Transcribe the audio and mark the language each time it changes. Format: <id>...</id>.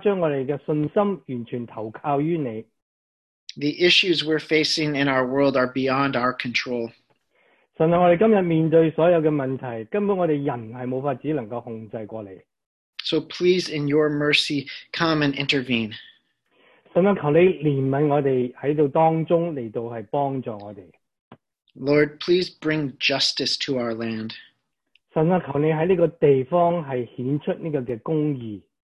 <zh>神啊,我们求你帮助我们更加将我们的信心完全投靠于你。</zh> <en>The issues we're facing in our world are beyond our control.</en> <zh>神啊,我们今天面对所有的问题,根本我们人是没法子能够控制过来。</zh> <en>So please, in your mercy, come and intervene.</en> <zh>神啊,求你怜悯我们,在这当中来帮助我们。</zh> <en>Lord, please bring justice to our land.</en> <zh>神啊,求你在这个地方是显出这个公义。</zh>